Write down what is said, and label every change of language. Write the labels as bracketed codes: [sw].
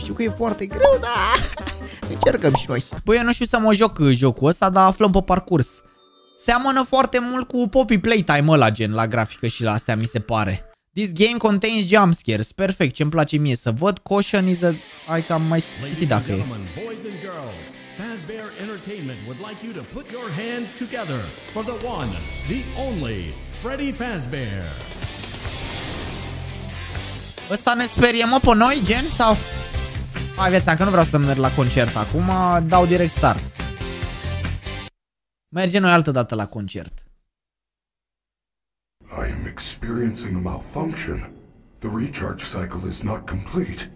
[ro] Știu că e foarte greu, dar încercăm și noi. Băi, eu nu știu să mă joc jocul ăsta, dar aflăm pe parcurs. Seamănă foarte mult cu Poppy Playtime ăla, gen, la grafică și la astea, mi se pare. [en] This game contains jump scares. [ro] Perfect, ce-mi place mie să văd. [en] Caution is a... [ro] Hai că am mai citit dacă e. [en] Boys and girls, Fazbear Entertainment would like you to put your hands together for the one, the only, Freddy Fazbear. [ro] Ăsta ne sperie, mă, pe noi, gen, sau... Hai, viața, că nu vreau să merg la concert acum, dau direct start. Mergem noi altă dată la concert. [en] I am experiencing a malfunction. The recharge cycle is not complete.